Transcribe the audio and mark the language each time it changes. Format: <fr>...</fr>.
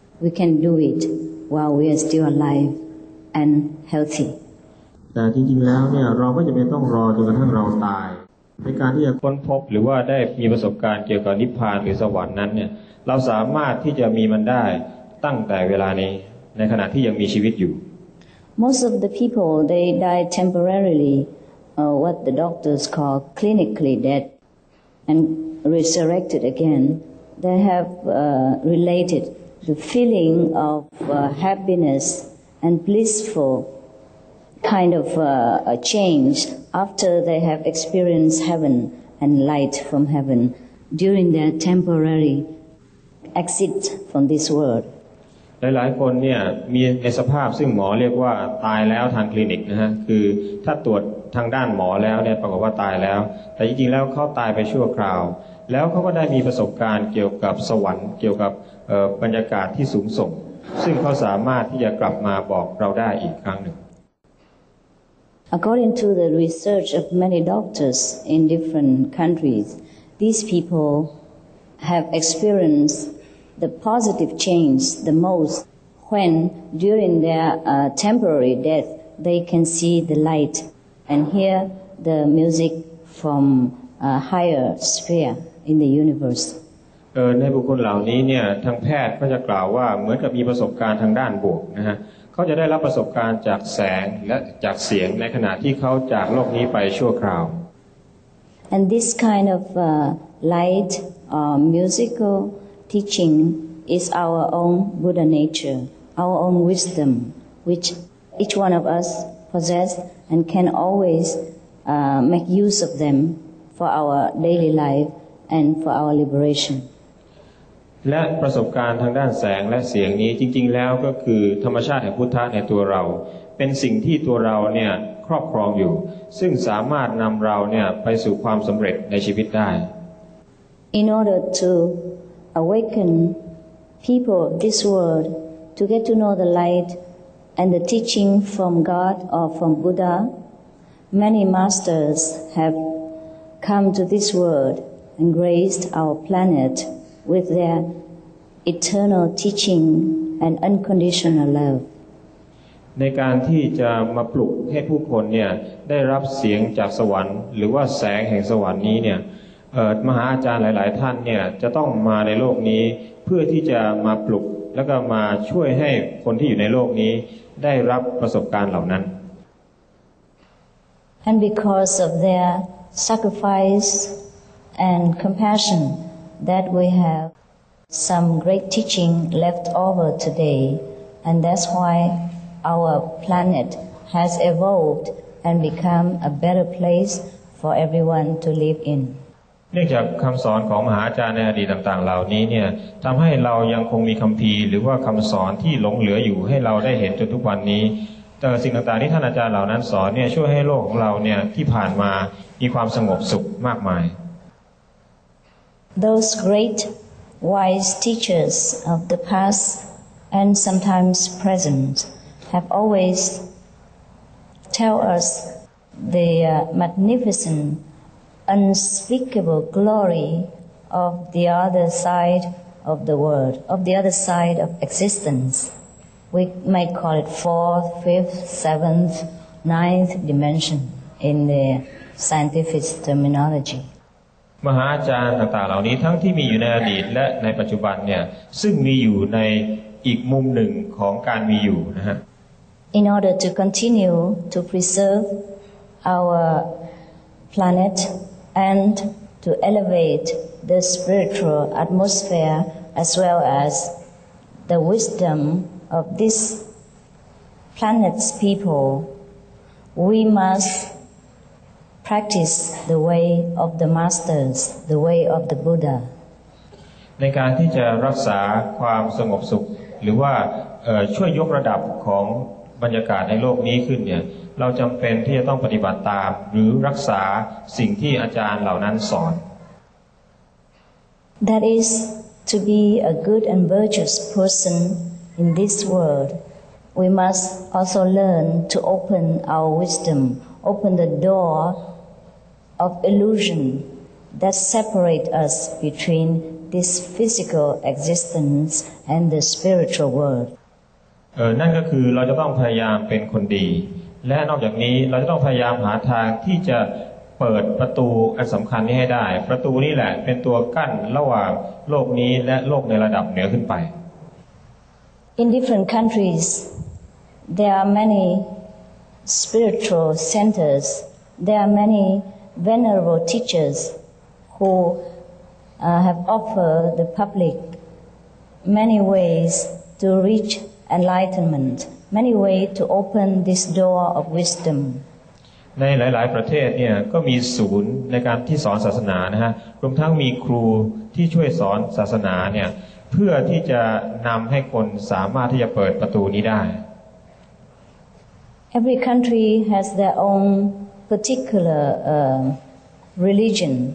<en>We can do it while we are still alive and healthy.</en> <th>แต่จริงๆแล้วเนี่ยเราก็จะไม่ต้องรอจนกระทั่งเราตายในการที่จะค้นพบหรือว่าได้มีประสบการณ์เกี่ยวกับนิพพานหรือสวรรค์นั้นเนี่ยเราสามารถที่จะมีมันได้ตั้งแต่เวลานี้ในขณะที่ยังมีชีวิตอยู่</th> <en>Most of the people, they die temporarily, what the doctors call clinically dead, and resurrected again. They have related the feeling of happiness and blissful kind of a change after they have experienced heaven and light from heaven during their temporary exit from this world.</en> <th>หลายๆคนเนี่ยมีในสภาพซึ่งหมอเรียกว่าตายแล้วทางคลินิกนะฮะคือถ้าตรวจทางด้านหมอแล้วเนี่ยปรากฏว่าตายแล้วแต่จริงๆแล้วเขาตายไปชั่วคราวแล้วเขาก็ได้มีประสบการณ์เกี่ยวกับสวรรค์เกี่ยวกับบรรยากาศที่สูงส่งซึ่งเขาสามารถที่จะกลับมาบอกเราได้อีกครั้งหนึ่ง</th> <en>According to the research of many doctors in different countries these people have experienced the positive change the most when during their temporary death they can see the light and hear the music from a higher sphere in the universe</en> <th>ในบุคคลเหล่านี้เนี่ยทางแพทย์ก็จะกล่าวว่าเหมือนกับมีประสบการณ์ทางด้านบวกนะฮะเขาจะได้รับประสบการณ์จากแสงและจากเสียงในขณะที่เขาจากโลกนี้ไปชั่วคราว</th> <en>and this kind of light or musicalTeaching is our own Buddha nature, our own wisdom, which each one of us possess and can always make use of them for our daily life and for our liberation.</en> <th>และประสบการณ์ทางด้านแสงและเสียงนี้จริงๆแล้วก็คือธรรมชาติแห่งพุทธะในตัวเราเป็นสิ่งที่ตัวเราเนี่ยครอบครองอยู่ซึ่งสามารถนำเราเนี่ยไปสู่ความสำเร็จในชีวิตได้</th> <en>In order toAwaken people this world to get to know the light and the teaching from God or from Buddha. Many masters have come to this world and graced our planet with their eternal teaching and unconditional love.</en> <th>ในการที่จะมาปลุกให้ผู้คนเนี่ยได้รับเสียงจากสวรรค์หรือว่าแสงแห่งสวรรค์นี้เนี่ยมหาอาจารย์หลายๆท่านเนี่ยจะต้องมาในโลกนี้เพื่อที่จะมาปลุกแล้วก็มาช่วยให้คนที่อยู่ในโลกนี้ได้รับประสบการณ์เหล่านั้น</th> <en>And because of their sacrifice and compassion that we have some great teaching left over today. And that's why our planet has evolved and become a better place for everyone to live in.</en> <th>เนื่องจากคำสอนของมหาอาจารย์ในอดีตต่างๆเหล่านี้เนี่ยทำให้เรายังคงมีคัมภีร์หรือว่าคำสอนที่หลงเหลืออยู่ให้เราได้เห็นจนทุกวันนี้แต่สิ่งต่างๆที่ท่านอาจารย์เหล่านั้นสอนเนี่ยช่วยให้โลกของเราเนี่ยที่ผ่านมามีความสงบสุขมากมาย</th> <en>Those great wise teachers of the past and sometimes present have always tell us the magnificentUnspeakable glory of the other side of the world, of the other side of existence. We might call it fourth, fifth, seventh, ninth dimension in the scientific terminology.</en> <th>มหาอาจารย์ต่างๆเหล่านี้ทั้งที่มีอยู่ในอดีตและในปัจจุบันเนี่ยซึ่งมีอยู่ในอีกมุมหนึ่งของการมีอยู่นะฮะ</th> <en>In order to continue to preserve our planet. And to elevate the spiritual atmosphere as well as the wisdom of this planet's people, we must practice the way of the masters, the way of the Buddha.</en> <th>ในการที่จะรักษาความสงบสุขหรือว่าช่วยยกระดับของบรรยากาศในโลกนี้ขึ้นเนี่ยเราจำเป็นที่จะต้องปฏิบัติตามหรือรักษาสิ่งที่อาจารย์เหล่านั้นสอน</th> <en>That is to be a good and virtuous person in this world we must also learn to open our wisdom open the door of illusion that separate us between this physical existence and the spiritual world</en> <th>นั่นก็คือเราจะต้องพยายามเป็นคนดีและนอกจากนี้เราจะต้องพยายามหาทางที่จะเปิดประตูอันสำคัญนี้ให้ได้ประตูนี้แหละเป็นตัวกั้นระหว่างโลกนี้และโลกในระดับเหนือขึ้นไป</th> <en>In different countries there are many spiritual centers there are many venerable teachers who have offered the public many ways to reach enlightenmentMany way to open this door of wisdom.</en> <th>ในหลายๆประเทศเนี่ยก็มีศูนย์ในการที่สอนศาสนานะฮะรวมทั้งมีครูที่ช่วยสอนศาสนาเนี่ยเพื่อที่จะนำให้คนสามารถที่จะเปิดประตูนี้ได้</th> <en>Every country has their own particular religion.</en>